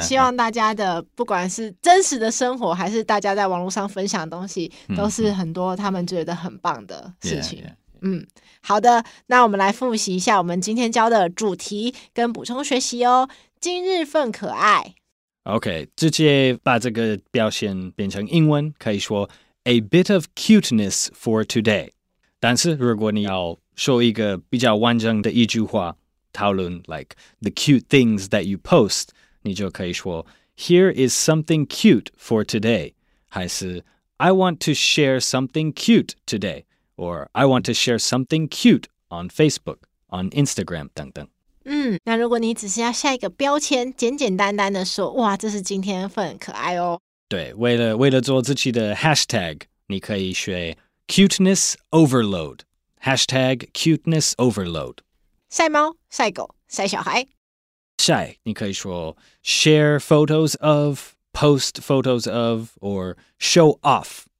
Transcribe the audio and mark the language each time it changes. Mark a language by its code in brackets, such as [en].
[zh] 希望大家的不管是真实的生活，还是大家在网络上分享的东西，都是很多他们觉得很棒的事情。好的，那我们来复习一下我们今天教的主题跟补充学习哦。今日份可爱。 OK, 直接把这个表现变成英文，可以说 [en] A bit of cuteness for today. [zh] 但是如果你要说一个比较完整的一句话，讨论 [en] like the cute things that you post, [zh] 你就可以说 [en] Here is something cute for today. 还是 I want to share something cute today. Or I want to share something cute on Facebook, on Instagram, [zh] 等等。那如果你只是要下一个标签，简简单单的说，哇，这是今天份可爱哦。对，为了做自己的 hashtag, 你可以学 cuteness overload, hashtag cuteness overload。晒猫、晒狗、晒小孩。 [en] 晒，你可以说 share photos of, post photos of, or show off.